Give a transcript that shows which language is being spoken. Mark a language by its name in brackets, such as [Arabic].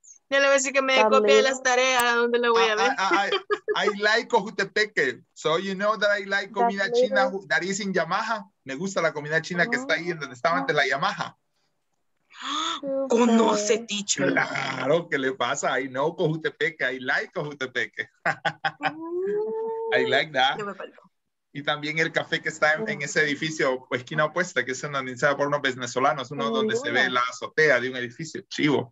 [Spanish] Ya le voy a decir que me copia las tareas, donde la voy a ver. [English] I like Cojutepeque. So you know that I like [Spanish] comida china [English] that is in Yamaha. [Spanish] Me gusta la comida china que está ahí donde estaba antes la Yamaha. Conoce, teacher. Claro, ¿qué le pasa? [English] I know Cojutepeque. I like Cojutepeque. I like that. [Spanish] Y también el café que está en ese edificio, pues, esquina opuesta, que es organizado por unos venezolanos, uno donde se ve la azotea de un edificio chivo.